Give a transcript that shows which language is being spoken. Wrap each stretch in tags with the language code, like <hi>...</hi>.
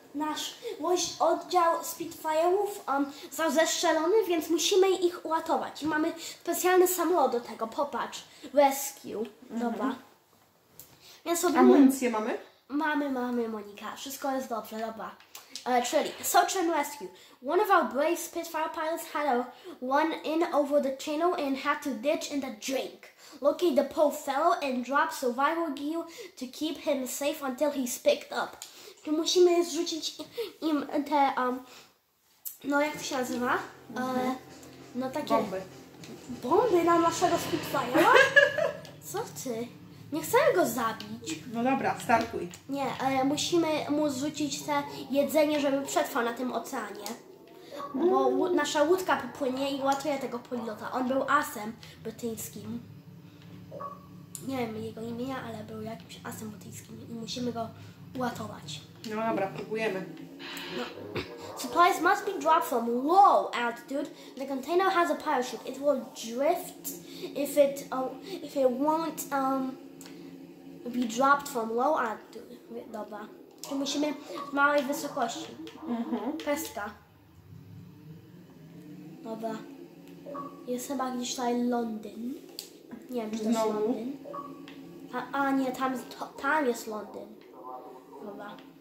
<pl>nasz oddział Spitfire'ów został zestrzelony, więc musimy ich uratować. Mamy specjalny samolot do tego, popatrz. Rescue. Dobra. Więc sobie amunicję mamy? Mamy, Monika. Wszystko jest dobrze, dobra. Czyli search and rescue.</pl> <en>One of our brave Spitfire pilots had a run in over the channel and had to ditch in the drink. Locate the poor fellow and drop survival gear to keep him safe until he's picked up.</en> <pl>Tu musimy zrzucić im te, no jak to się nazywa? No takie... Bomby. Bomby na naszego Spitfire'a? Co ty? Nie chcemy go zabić. No dobra, startuj. Nie, musimy mu zrzucić te jedzenie, żeby przetrwał na tym oceanie. Bo nasza łódka popłynie i ułatwia tego pilota. On był asem brytyjskim. Nie wiem jego imienia, ale był jakimś asem brytyjskim i musimy go uratować. No dobra, próbujemy. No.</pl> <en>Supplies must be dropped from low altitude. The container has a parachute. It will drift if it won't be dropped from low altitude.</en> <pl>Dobra. Czy musimy w małej wysokości. Mhm. Pestka. Dobra. Jest chyba gdzieś tutaj Londyn. Nie wiem, czy to jest Londyn. A nie, tam jest Londyn. Dobra.</pl>